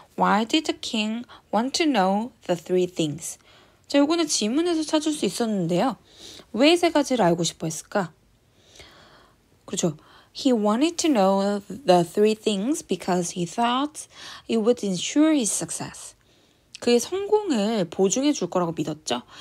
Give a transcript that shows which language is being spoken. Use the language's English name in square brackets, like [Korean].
[English] Why did the king want to know the three things? [Korean] 자, 요거는 지문에서 찾을 수 있었는데요. 왜 세 가지를 알고 싶어 했을까? 그렇죠. [English] He wanted to know the three things because he thought it would ensure his success. [Korean] 그의 성공을 보증해 줄 거라고 믿었죠.